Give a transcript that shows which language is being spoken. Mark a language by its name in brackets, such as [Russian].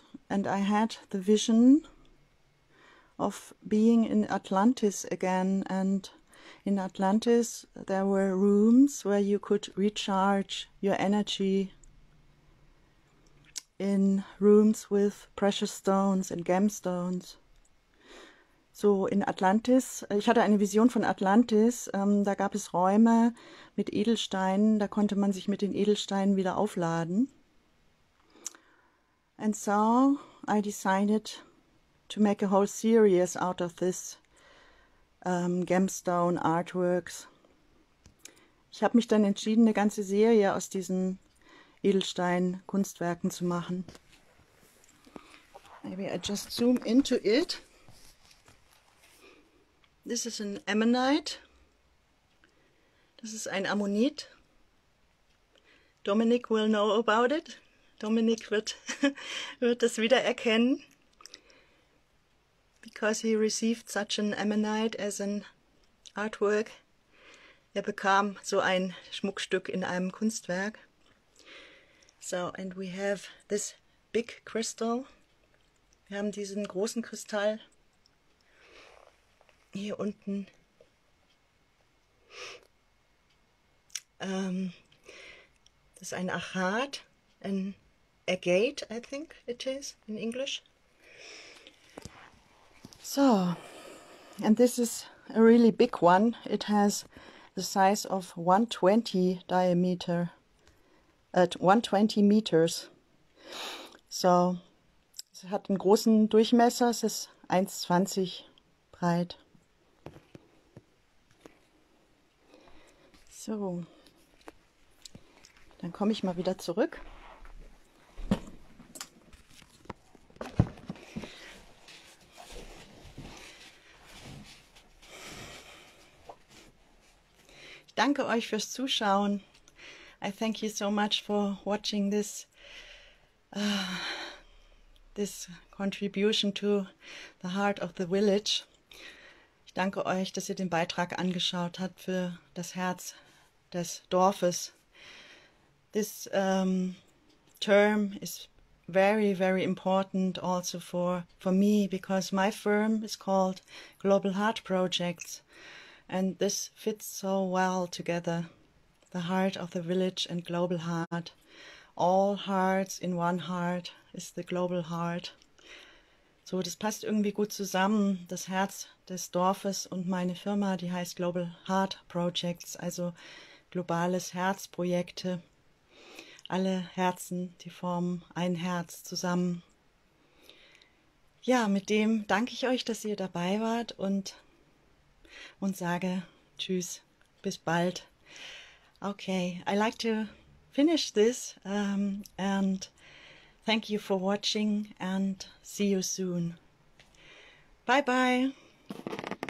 [English] And I had the vision of being in Atlantis again, and in Atlantis, there were rooms where you could recharge your energy in rooms with precious stones and gemstones. So in Atlantis, [German] ich hatte eine Vision von Atlantis, da gab es Räume mit Edelsteinen, da konnte man sich mit den Edelsteinen wieder aufladen. [English] And so I decided to make a whole series out of this. Gemstone Artworks. [German] Ich habe mich dann entschieden, eine ganze Serie aus diesen Edelstein-Kunstwerken zu machen. [English] Maybe I just zoom into it. This is an Ammonite. [German] Das ist ein Ammonit. [English] Dominic will know about it. [German] Dominic wird, wird das wiedererkennen. [English] Because he received such an ammonite as an artwork. [German] Er bekam so ein Schmuckstück in einem Kunstwerk. [English] So, and we have this big crystal. [German] Wir haben diesen großen Kristall hier unten. Das ist ein Achat, [English] an agate, I think it is in English. So, and this is a really big one. It has the size of 120 diameter at 120 meters. [German] So, es hat einen großen Durchmesser, es ist 1,20 breit. So, dann komme ich mal wieder zurück. danke euch fürs Zuschauen. [English] I thank you so much for watching this this contribution to the heart of the village. [German] Ich danke euch, dass ihr den Beitrag angeschaut habt für das Herz des Dorfes. [English] This term is very, very important also for me, because my firm is called Global Heart Projects, and this fits so well together, the heart of the village and global heart. All hearts in one heart is the global heart. [German] So, das passt irgendwie gut zusammen, das Herz des Dorfes und meine Firma, die heißt Global Heart Projects, also globales Herzprojekte. Alle Herzen, die formen ein Herz zusammen. Ja, mit dem danke ich euch, dass ihr dabei wart und sage tschüss, bis bald. [English] Okay, I like to finish this and thank you for watching and see you soon. Bye bye.